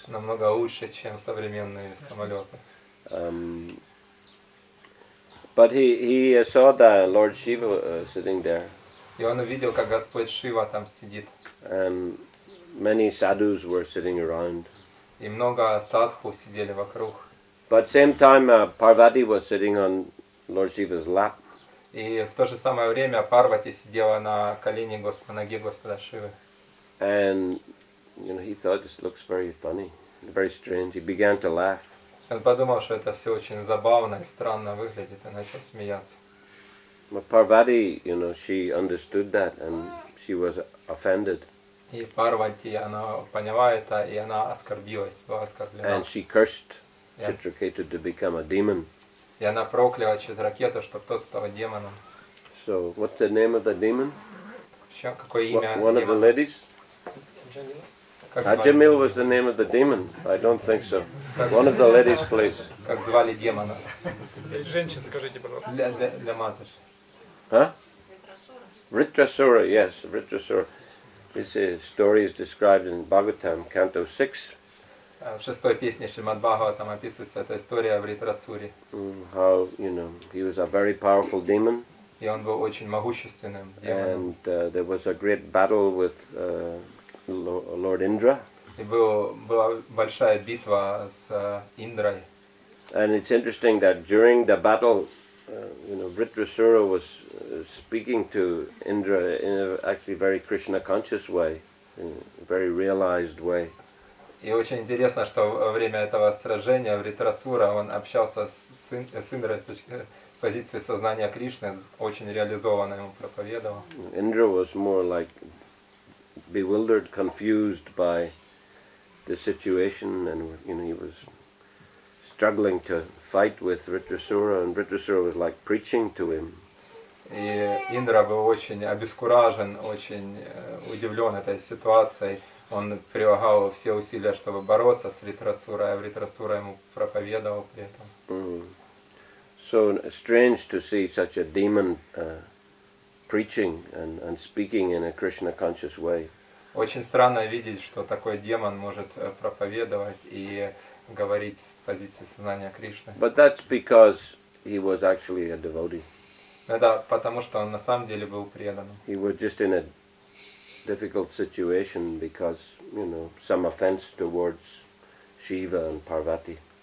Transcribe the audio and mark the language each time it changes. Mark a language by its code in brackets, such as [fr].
[ru] Намного лучше, чем современные самолеты. [en] But he saw the Lord Shiva sitting there. [ru] И он увидел, как Господь Шива там сидит. [en] And many sadhus were sitting around. [ru] И много садху сидели вокруг. [en] But same time Parvati was sitting on Lord Shiva's lap. [ru] И в то же самое время Парвати сидела на колене Господа, ноге Господа Шивы. [en] And he thought this looks very funny, very strange. He began to laugh. [ru] Он подумал, что это все очень забавно и странно выглядит, и начал смеяться. [en] But Parvati, she understood that, and she was offended. [ru] И Парвати, она поняла это, и она оскорбилась, была оскорблена. [en] And she cursed Chitraketu to become a demon. [ru] И она прокляла Читракету, чтобы тот стал демоном. [en] So, what's the name of the demon? [ru] Какое имя демона? [en] One of the ladies? Аджамил was the name of the demon. I don't think so. One of the ladies, please. [ru] Как звали демона? Женщин, скажите, пожалуйста. Для матуши. [en] Huh? Ритрасура, yes, Ритрасура. This story is described in Bhagavatam, Canto 6. [ru] В шестой песне Шримад-Бхагаватам описывается эта история в Ритрасуре. [en] How, you know, he was a very powerful demon. [ru] И он был очень могущественным демоном. [en] And there was a great battle with Lord Indra. [ru] И была большая битва с Индрой. [en] And it's interesting that during the battle, Ritrasura was speaking to Indra in a actually very Krishna conscious way, in a very realized way. [ru] И очень интересно, что во время этого сражения Ритрасура он общался с Индрой с позиции сознания Кришны, очень реализованно ему проповедовал. [en] Indra was more like bewildered, confused by the situation, and he was struggling to fight with Ritrasura, and Ritrasura was like preaching to him. [ru] И Индра был очень обескуражен, очень удивлен этой ситуацией. Он прилагал все усилия, чтобы бороться с Ритрасурой, а Ритрасура ему проповедовал при этом. [en] So strange to see such a demon preaching and speaking in a Krishna conscious way. [ru] Очень странно видеть, что такой демон может проповедовать и говорить с позиции сознания Кришны. [en] But that's because he was actually a devotee. [ru] Да, потому что он на самом деле был преданным. [en] He was just in a difficult situation because, some offense towards Shiva and Parvati.